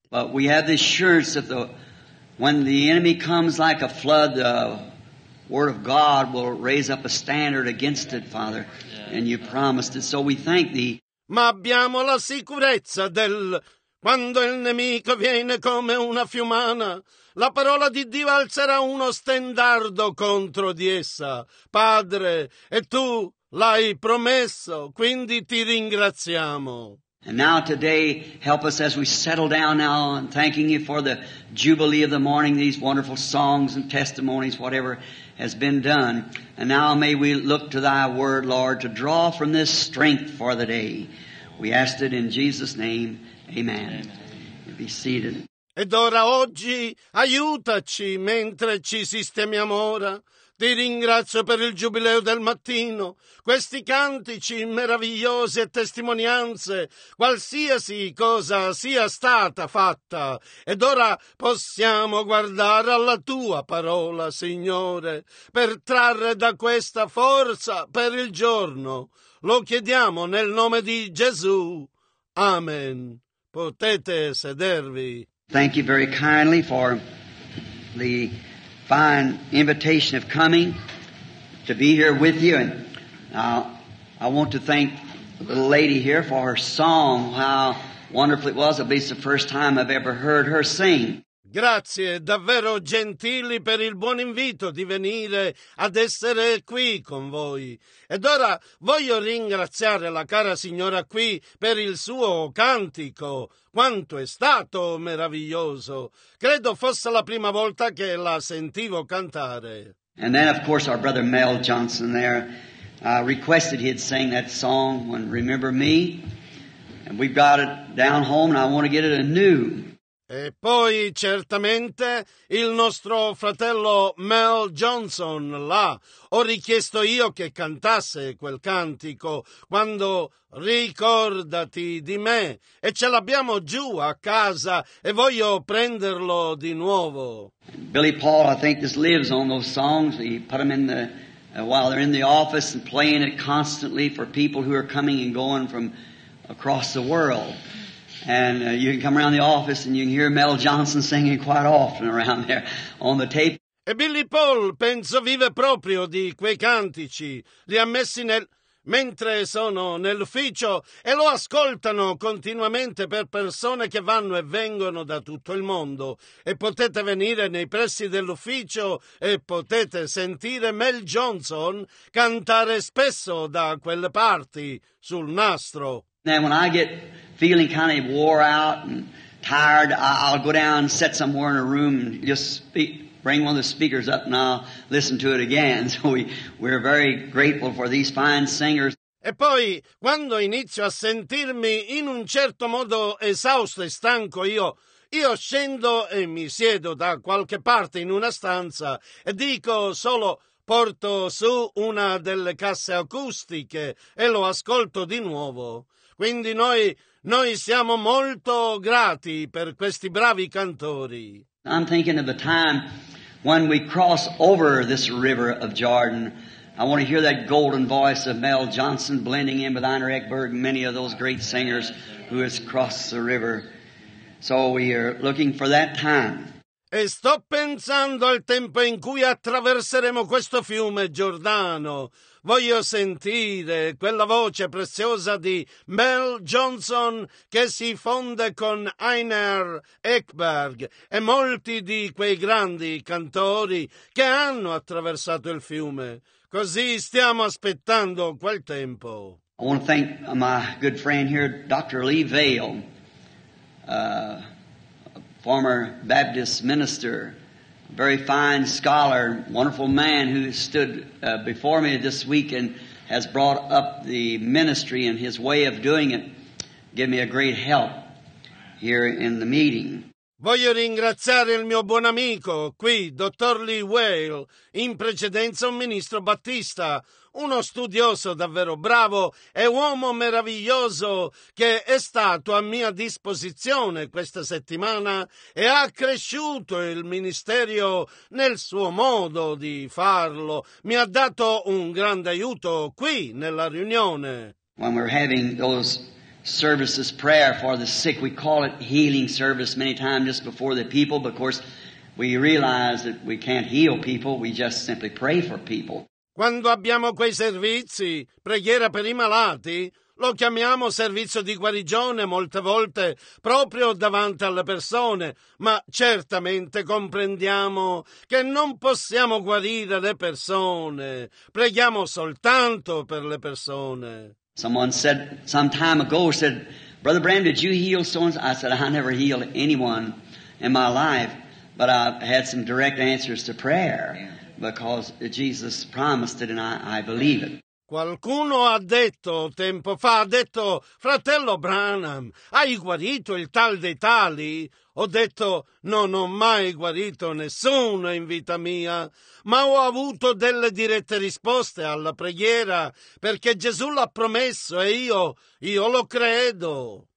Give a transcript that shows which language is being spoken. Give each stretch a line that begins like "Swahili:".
English: But we have the assurance that when the enemy comes like a flood, the Word of God will raise up a standard against it, Father. And you promised it. So we thank thee.
Italian: Ma abbiamo la sicurezza del quando il nemico viene come una fiumana, la parola di Dio alzerà uno stendardo contro di essa. Padre, e tu l'hai promesso, quindi ti ringraziamo.
English: And now today, help us as we settle down now, and thanking you for the jubilee of the morning, these wonderful songs and testimonies, whatever has been done. And now may we look to thy word, Lord, to draw from this strength for the day. We ask it in Jesus' name. Amen. Amen. Be seated.
Italian: Ed ora oggi aiutaci mentre ci sistemiamo ora. Ti ringrazio per il giubileo del mattino, questi cantici meravigliosi e testimonianze, qualsiasi cosa sia stata fatta. Ed ora possiamo guardare alla Tua parola, Signore, per trarre da questa forza per il giorno. Lo chiediamo nel nome di Gesù. Amen. Potete sedervi.
English: Thank you very kindly for the fine invitation of coming to be here with you. And I want to thank the lady here for her song. How wonderful it was. It'll be the first time I've ever heard her sing.
Italian: Grazie davvero gentili per il buon invito di venire ad essere qui con voi. Ed ora voglio ringraziare la cara signora qui per il suo cantico. Quanto è stato meraviglioso! Credo fosse la prima volta che la sentivo cantare.
English: And then of course our brother Mel Johnson there requested he'd sing that song when Remember Me. And we've got it down home and I want to get it anew.
Italian: E poi certamente il nostro fratello Mel Johnson là, ho richiesto io che cantasse quel cantico quando ricordati di me e ce l'abbiamo giù a casa e voglio prenderlo di nuovo.
English: Billy Paul, I think, just lives on those songs. He put them in the while they're in the office and playing it constantly for people who are coming and going from across the world. And you can come around the office and you can hear Mel Johnson singing quite often around there on the tape.
Italian: E Billy Paul, penso, vive proprio di quei cantici. Li ha messi nel mentre sono nell'ufficio e lo ascoltano continuamente per persone che vanno e vengono da tutto il mondo. E potete venire nei pressi dell'ufficio e potete sentire Mel Johnson cantare spesso da quelle parti sul nastro.
English: And when I get feeling kind of wore out and tired, I'll go down and sit somewhere in a room and just bring one of the speakers up and I'll listen to it again. So we're very grateful for these fine singers.
Italian: E poi, quando inizio a sentirmi in un certo modo esausto e stanco, io scendo e mi siedo da qualche parte in una stanza e dico solo, porto su una delle casse acustiche e lo ascolto di nuovo. Quindi noi siamo molto grati per questi bravi cantori.
English: I'm thinking of the time when we cross over this river of Jordan. I want to hear that golden voice of Mel Johnson blending in with Einar Ekberg and many of those great singers who has crossed the river. So we are looking for that time.
Italian: E sto pensando al tempo in cui attraverseremo questo fiume Giordano. Voglio sentire quella voce preziosa di Mel Johnson che si fonde con Einar Ekberg e molti di quei grandi cantori che hanno attraversato il fiume. Così stiamo aspettando quel tempo.
English: I want to thank my good friend here, Dr. Lee Vail, former Baptist minister. Very fine scholar, wonderful man who stood before me this week and has brought up the ministry and his way of doing it. Give me a great help here in the meeting.
Italian: Voglio ringraziare il mio buon amico qui, Dr. Lee Whale, in precedenza un ministro battista, uno studioso davvero bravo e uomo meraviglioso che è stato a mia disposizione questa settimana e ha cresciuto il ministero nel suo modo di farlo. Mi ha dato un grande aiuto qui nella riunione.
English: When we're having those services, prayer for the sick, we call it healing service many times just before the people, but of course we realize that we can't heal people, we just simply pray for people.
Italian: Quando abbiamo quei servizi, preghiera per i malati, lo chiamiamo servizio di guarigione molte volte proprio davanti alle persone, ma certamente comprendiamo che non possiamo guarire le persone, preghiamo soltanto per le persone.
English: Someone said some time ago, said, Brother Branham, did you heal so-and-so? I said, I never healed anyone in my life, but I had some direct answers to prayer because Jesus promised it and I believe it.
Italian: Qualcuno ha detto tempo fa, ha detto, fratello Branham, hai guarito il tal dei tali? Ho detto, non ho mai guarito nessuno in vita mia, ma ho avuto delle dirette risposte alla preghiera, perché Gesù l'ha promesso e io lo credo.